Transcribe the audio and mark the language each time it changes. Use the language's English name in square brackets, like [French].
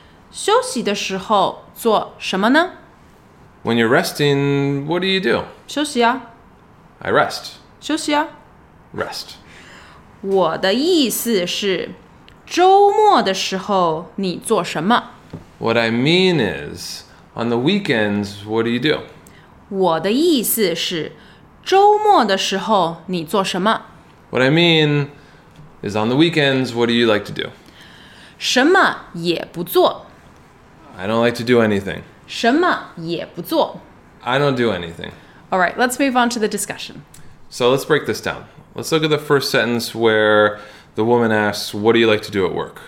[Chinese] 休息的时候做什么呢? [English] When you're resting, what do you do? [Chinese] 休息啊。 [English] I rest. [Chinese] 休息啊。 [English] Rest. [Chinese] 我的意思是, 周末的时候你做什么? [English] What I mean is, on the weekends, what do you do? [Chinese] 我的意思是, 周末的时候你做什么? [English] What I mean is, on the weekends, what do you like to do? [Chinese] 什么也不做。 [English] I don't like to do anything. [Chinese] 什么也不做。 [English] I don't do anything. All right, let's move on to the discussion. So let's break this down. Let's look at the first sentence where the woman asks, what do you like to do at work?